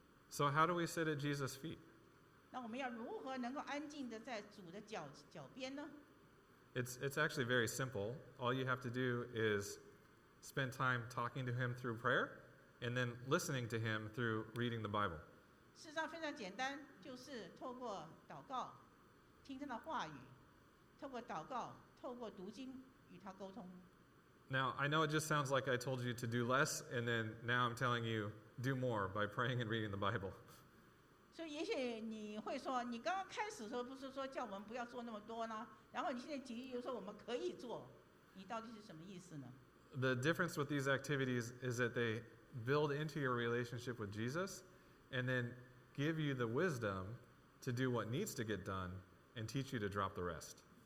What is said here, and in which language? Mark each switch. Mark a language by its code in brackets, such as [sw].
[en] So how do we sit at Jesus' feet? [zh] 那我们要如何能够安静的在主的脚边呢？ [en] It's actually very simple. All you have to do is spend time talking to him through prayer and then listening to him through reading the Bible. [zh] 事实上非常简单，就是透过祷告，听他的话语，透过祷告，透过读经与他沟通。 [en] Now, I know it just sounds like I told you to do less, and then now I'm telling you, do more by praying and reading the Bible. [zh] 所以也许你会说，你刚刚开始的时候不是说叫我们不要做那么多呢？然后你现在急于说我们可以做，你到底是什么意思呢？ [en] The difference with these activities is that they build into your relationship with Jesus and then give you the wisdom to do what needs to get done and teach you to drop the rest.